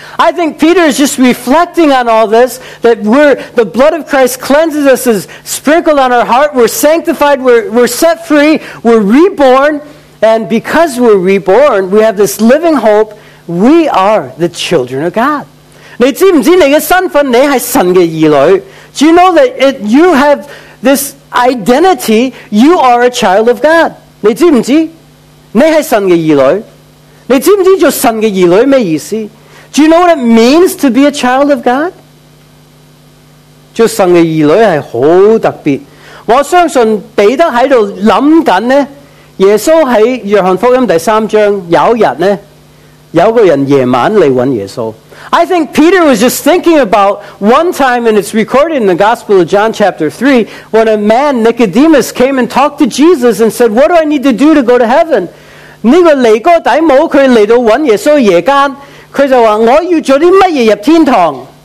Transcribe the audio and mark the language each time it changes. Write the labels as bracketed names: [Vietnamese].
[English] I think Peter is just reflecting on all this, that we're, the blood of Christ cleanses us, is sprinkled on our heart, we're sanctified, we're set free, we're reborn, and because we're reborn, we have this living hope, we are the children of God. [Chinese] 你知不知你的身份,你是神的儿女? [English] Do you know that you have this identity, you are a child of God? [Chinese] 你知不知? 你是神的儿女? 你知不知道神的儿女什么意思? [English] Do you know what it means to be a child of God? [Chinese] 耶稣生的儿女是很特别。我相信彼得在想耶稣在约翰福音第三章有一天有一个人夜晚来找耶稣。 [English] I think Peter was just thinking about one time, and it's recorded in the Gospel of John chapter 3, when a man, Nicodemus, came and talked to Jesus and said, what do I need to do to go to heaven? [Chinese] 这个尼哥底母来找耶稣夜间，他就说我要做些什么入天堂？